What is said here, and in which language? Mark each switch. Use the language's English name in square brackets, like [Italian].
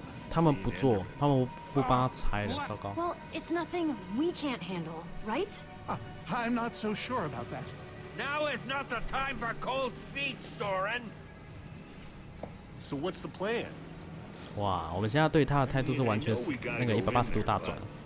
[Chinese] 他们不做，他们不帮他拆了，糟糕。 [English] Well, it's nothing we can't handle, right? I'm not so sure about that. Now is not the time for cold feet, Soren. So what's the plan? [Chinese] 哇，我们现在对他的态度是完全那个180度大转。